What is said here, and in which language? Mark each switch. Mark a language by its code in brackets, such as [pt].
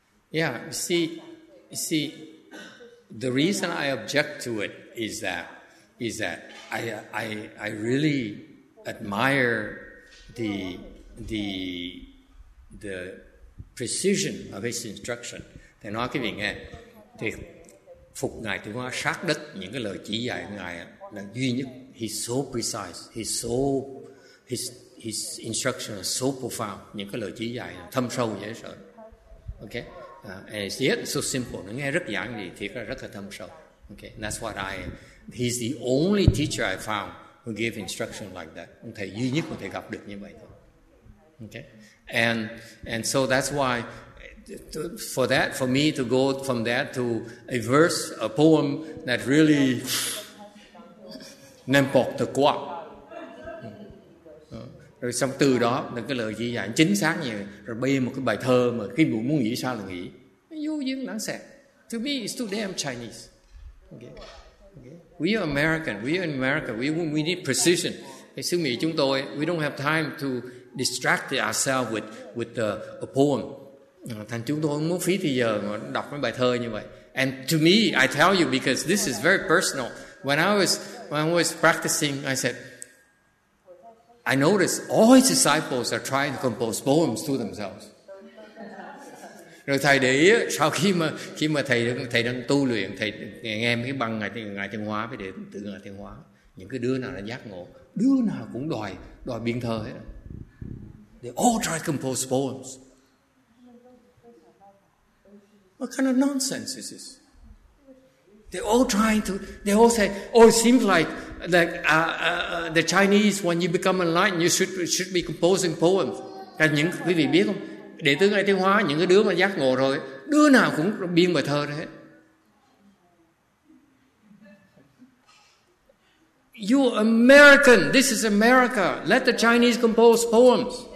[en] Yeah, you see, the reason I object to it is that I really admire the precision of his instruction. They're not giving it. They [vi] phục Ngài Thượng Hóa sát đất những cái lời chỉ dạy của Ngài là duy nhất. [en] He's so precise, his instruction is so profound, [vi] những cái lời chỉ dạy thâm sâu dễ sợ. [en] Okay, and yet so simple, [vi] nó nghe rất giản dị, thiệt là rất là thâm sâu. [en] Okay, and that's what I am. He's the only teacher I found who gave instruction like that. [vi] Ông thầy duy nhất mà thầy gặp được như vậy thôi. [en] Okay, and so that's why for me to go from that to a verse, a poem that really [fr] n'importe quoi. [vi] Rồi xong từ đó những cái lời chỉ dạy chính xác như rồi bây một cái bài thơ mà khi buồn muốn nghĩ sao là nghĩ vô duyên lãng xẹt. [en] To me it's too damn Chinese. Okay. We are American, we need precision. [vi] Cái xứ Mỹ chúng tôi, [en] we don't have time to distract ourselves with a poem. [vi] Thành chúng tôi không muốn phí thời giờ mà đọc mấy bài thơ như vậy. [en] And to me, I tell you, because this is very personal, when I was practicing, I said, I noticed all his disciples are trying to compose poems to themselves. [vi] Rồi thầy để ý, sau khi mà thầy đang tu luyện, thầy nghe mấy cái băng ngài Thiên Hóa với để tự ngài Thiên Hóa, những cái đứa nào đã giác ngộ, đứa nào cũng đòi biên thơ hết. [en] They all try to compose poems. What kind of nonsense is this? They all say, oh, it seems like the Chinese, when you become enlightened, you should be composing poems. [vi] Các những quý vị biết không? Để tướng ngài Thiên Hóa, những cái đứa mà giác ngộ rồi, đứa nào cũng biên bài thơ hết. [en] You American, this is America. Let the Chinese compose poems.